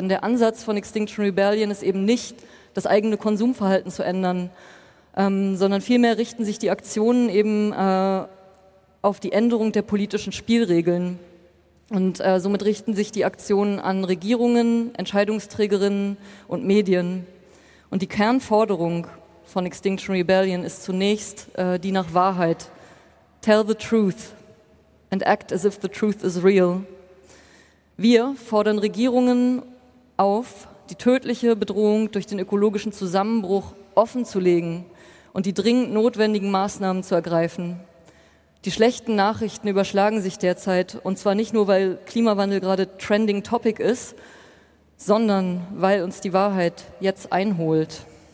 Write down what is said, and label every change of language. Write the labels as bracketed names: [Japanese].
[German] Denn der Ansatz von Extinction Rebellion ist eben nicht, das eigene Konsumverhalten zu ändern, sondern vielmehr richten sich die Aktionen eben auf die Änderung der politischen Spielregeln. Und somit richten sich die Aktionen an Regierungen, Entscheidungsträgerinnen und Medien. Und die Kernforderung von Extinction Rebellion ist zunächst die nach Wahrheit. [English] Tell the truth and act as if the truth is real. [German] Wir fordern Regierungen auf, die tödliche Bedrohung durch den ökologischen Zusammenbruch offenzulegen und die dringend notwendigen Maßnahmen zu ergreifen. Die schlechten Nachrichten überschlagen sich derzeit, und zwar nicht nur, weil Klimawandel gerade Trending Topic ist, sondern weil uns die Wahrheit jetzt einholt.